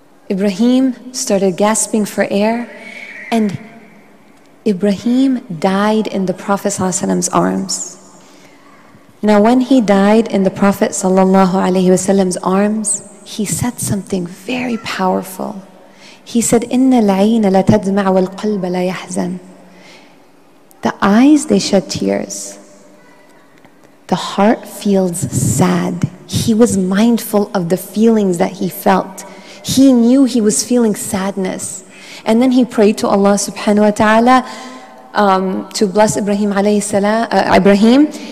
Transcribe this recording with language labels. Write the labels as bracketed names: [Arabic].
[English] Ibrahim started gasping for air. And Ibrahim died in the Prophet ﷺ's arms. Now when he died in the Prophet ﷺ's arms, he said something very powerful. He said, [Arabic] إِنَّ الْعَيْنَ لَتَدْمَعْ وَالْقَلْبَ لَيَحْزَنْ. [English] The eyes, they shed tears. The heart feels sad. He was mindful of the feelings that he felt. He knew he was feeling sadness. And then he prayed to Allah subhanahu wa ta'ala to bless Ibrahim alayhi salam, Ibrahim.